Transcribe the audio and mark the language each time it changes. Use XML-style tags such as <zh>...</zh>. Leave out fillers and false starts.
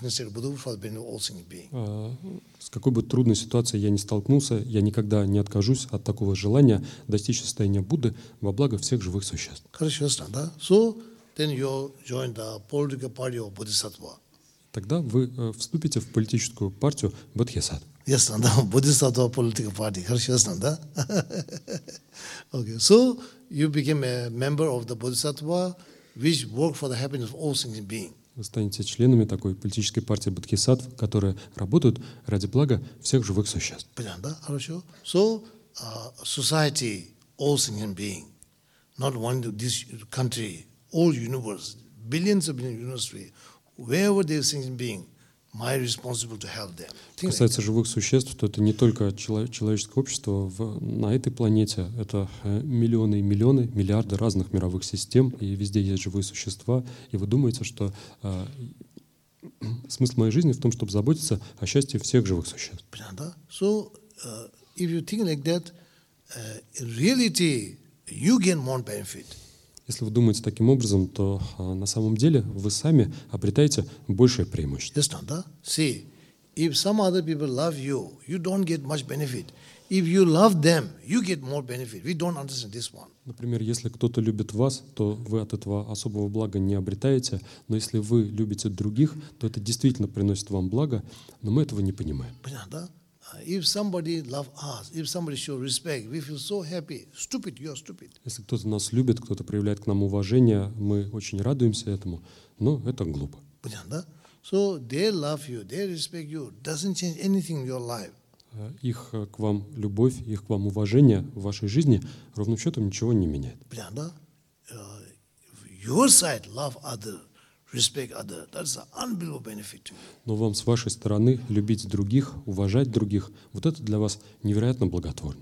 <ru>с какой бы трудной ситуацией я ни столкнулся, я никогда не откажусь от такого желания достичь состояния Будды во благо всех живых существ. Хорошо, ясно, да?</ru> <en>So, then you join the political party of Bodhisattva.</en> <ru>Тогда вы вступите в политическую партию Бодхисаттв. Ясно, да?</ru> <en>Bodhisattva political party.</en> <ru>Хорошо, ясно, да?</ru> <en>Okay, so you became a member of the Bodhisattva, which work for the happiness of all sentient beings.</en> <ru>Вы станете членами такой политической партии Бодхисаттв, которые работают ради блага всех живых существ. Понятно, да? Хорошо.</ru> <en>So, society, all sentient beings, not one this country, all universe, billions of billions of universe, wherever there is sentient beings, my responsibility to help them.</en> <ru>Что касается живых существ, то это не только человеческое общество на этой планете. Это миллионы и миллионы, миллиарды разных мировых систем, и везде есть живые существа. И вы думаете, что смысл моей жизни в том, чтобы заботиться о счастье всех живых существ. Понятно?</ru> <en>So, if you think like that, in reality, you gain more benefit.</en> <ru>Если вы думаете таким образом, то на самом деле вы сами обретаете большее преимущество.</ru> <en>Yes, no,</en> <ru>да?</ru> <en>See, if some other people love you, you don't get much benefit. If you love them, you get more benefit. We don't understand this one.</en> <ru>Например, если кто-то любит вас, то вы от этого особого блага не обретаете. Но если вы любите других, то это действительно приносит вам благо, но мы этого не понимаем. Понятно, да?</ru> <en>If somebody love us, if somebody show respect, we feel so happy. Stupid, you're stupid.</en> <ru>Если кто-то нас любит, кто-то проявляет к нам уважение, мы очень радуемся этому, но это глупо. Понятно, да?</ru> <en>So they love you, they respect you, doesn't change anything in your life.</en> <ru>Их к вам любовь, их к вам уважение в вашей жизни ровным счетом ничего не меняет. Понятно, да?</ru> <en>Your side love other. Respect other. That's an unbelievable benefit.</en> <ru>Но вам с вашей стороны любить других, уважать других, вот это для вас невероятно благотворно.</ru>